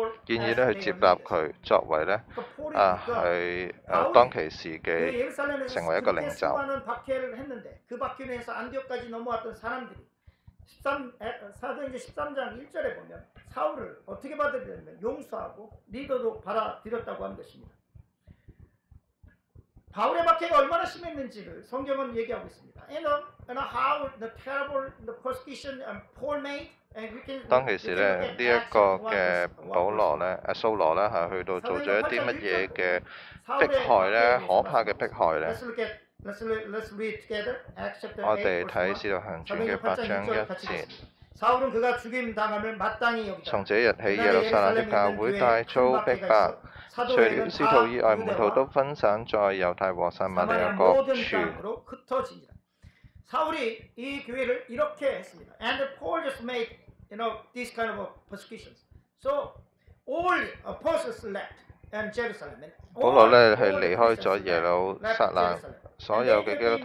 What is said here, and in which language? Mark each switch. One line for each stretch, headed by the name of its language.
Cantonese: 願意咧去接納佢，作為咧佢當其時嘅成為一個領袖。
Korean: 사도행전 13장 1절에 보면 사울을 어떻게 받아들였냐면 용서하고 리더도 받아들였다고 하는 것입니다. 바울의 박해가 얼마나 심했는지를 성경은 얘기하고 있습니다.
English: And how the terrible the persecution and Paul made.
Cantonese: 當時呢，呢一個嘅保羅咧，阿蘇羅咧，係去到做咗一啲乜嘢嘅迫害咧，可怕嘅迫害咧。我哋睇《使徒行傳》嘅8章1節。從這日起，耶路撒冷教會大遭逼迫，除了使徒以外，門徒都分散在猶太和撒瑪利亞各處。
English: And Paul just made, you know, this kind of persecutions. So all apostles left and Jerusalem.
Cantonese: 保羅咧係離開咗耶路撒冷。